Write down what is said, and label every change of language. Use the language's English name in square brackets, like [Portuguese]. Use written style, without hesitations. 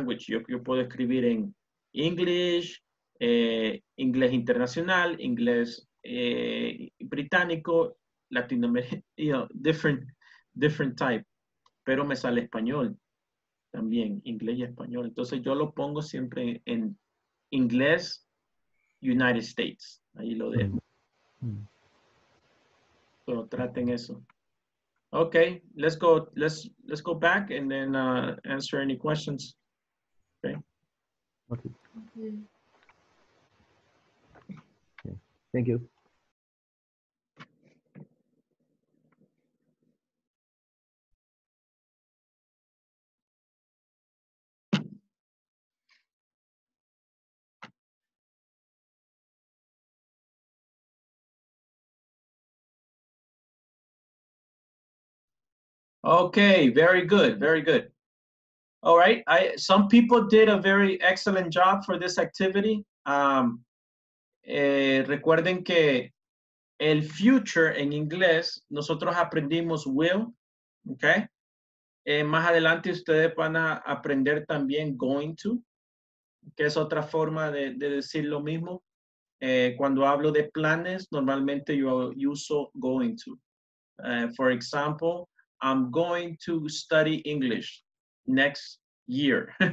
[Spanish] Yo puedo escribir en English, inglés internacional, inglés británico, latinoamericano, [English] you know, different type. [Spanish] Pero me sale español también, inglés y español. Entonces yo lo pongo siempre en inglés, United States. Ahí lo dejo. Pero traten eso. [English] Okay, let's go back and then answer any questions. Okay. Okay. Thank you. Okay, very good, very good. All right, some people did a very excellent job for this activity. [Spanish] Recuerden que el future en inglés, nosotros aprendimos will, okay? Más adelante ustedes van a aprender también going to, que es otra forma de decir lo mismo. Cuando hablo de planes, normalmente yo uso going to. [English] For example, I'm going to study English next year.